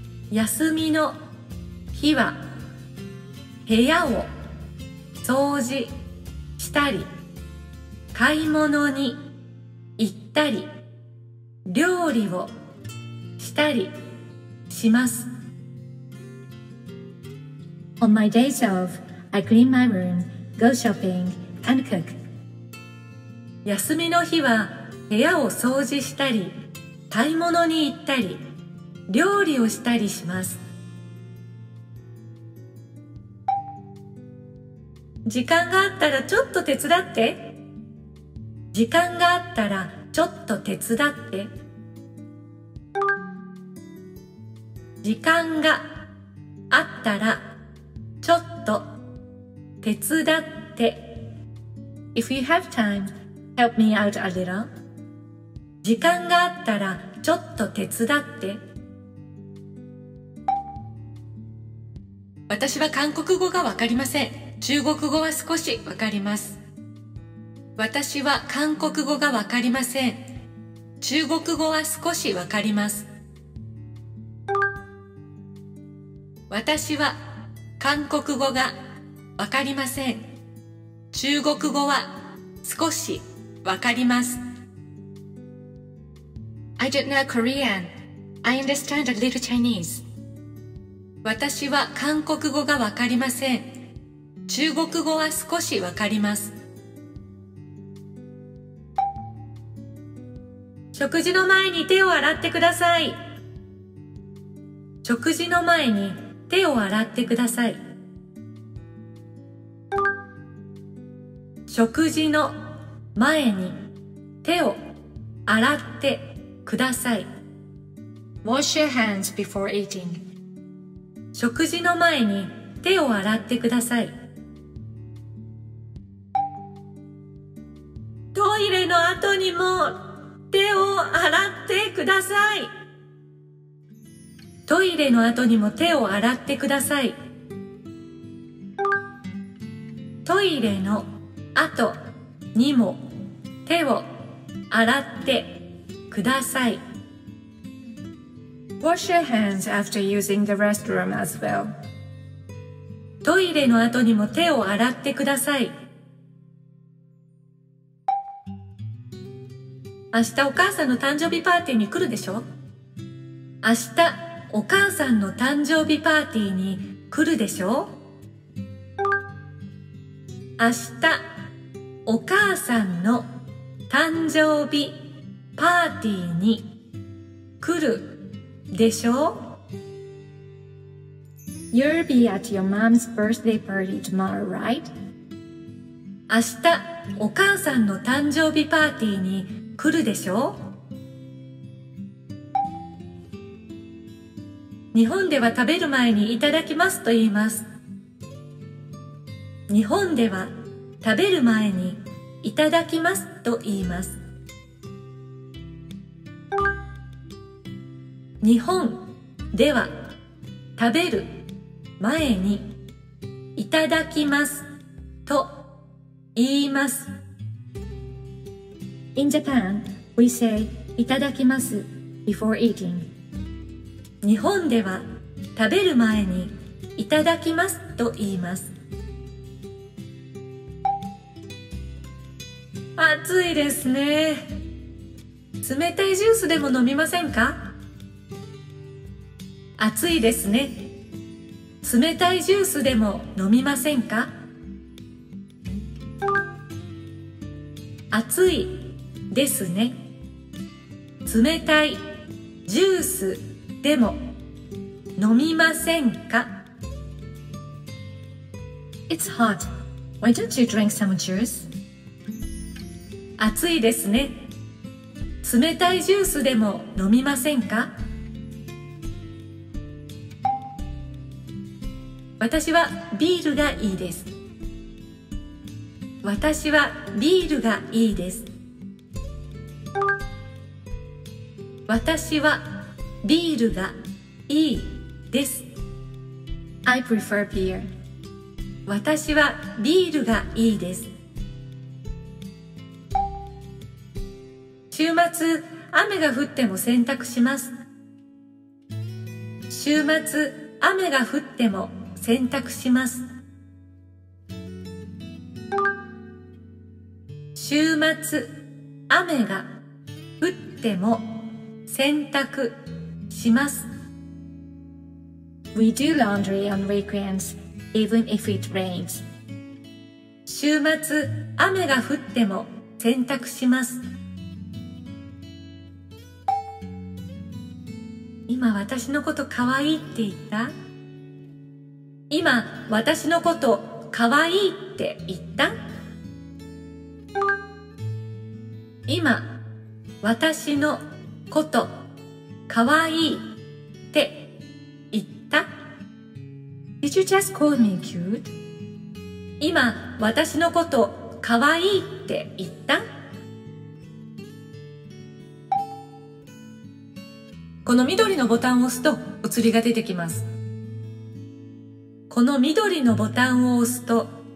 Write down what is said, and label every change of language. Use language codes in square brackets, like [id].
[ja] 休みの日は部屋を掃除したり、買い物に行ったり、料理をしたりします。 [en] On my days off, I clean my room, go shopping, and cook. [ja] 休みの日は部屋を掃除したり、買い物に行ったり、料理をしたりします。時間があったらちょっと手伝って。時間があったらちょっと手伝って。時間があったらちょっと手伝って。 [en] If you have time, help me out a little. [ja] 時間があったらちょっと手伝って。私は韓国語がわかりません。中国語は少しわかります。私は韓国語がわかりません。中国語は少しわかります。私は韓国語がわかりません。中国語は少しわかります。 [en] I don't know Korean. I understand a little Chinese. [ja] 私は韓国語がわかりません。中国語は少しわかります。食事の前に手を洗ってください。食事の前に手を洗ってください。食事の前に手を洗ってください。 [en] Wash your hands before eating. [ja] 食事の前に手を洗ってください。トイレの後にも手を洗ってください。トイレの後にも手を洗ってください。トイレの後にも手を洗ってください。 [en] Wash your hands after using the restroom as well. [ja] トイレの後にも手を洗ってください。明日お母さんの誕生日パーティーに来るでしょ？明日お母さんの誕生日パーティーに来るでしょ？明日お母さんの誕生日パーティーに来るでしょ？ [en] You'll be at your mom's birthday party tomorrow, right? [ja] 明日お母さんの誕生日パーティーに来るでしょ？日本では食べる前にいただきますと言います。日本では食べる前にいただきますと言います。日本では食べる前にいただきますと言います。 [en] In Japan, we say いただきます before eating. [ja] 日本では食べる前にいただきますと言います。暑いですね。冷たいジュースでも飲みませんか？暑いですね。冷たいジュースでも飲みませんか？暑いですね。冷たいジュースでも飲みませんか? [en] It's hot. Why don't you drink some juice? [ja] 暑いですね。冷たいジュースでも飲みませんか? 私はビールがいいです。私はビールがいいです。私はビールがいい。です。 [en] I prefer beer. [ja] 私はビールがいいです。週末雨が降っても洗濯します。週末雨が降っても洗濯します。週末雨が降っても洗濯します。 [en] We do laundry on weekends, even if it rains. [ja] 週末、雨が降っても洗濯します。今、私のこと可愛いって言った？今、私のこと可愛いって言った？今、私のこと可愛いって言った？ [en] Did you just call me cute? [ja] 今、私のこと、かわいいって言った？この緑のボタンを押すと、お釣りが出てきます。この緑のボタンを押すと、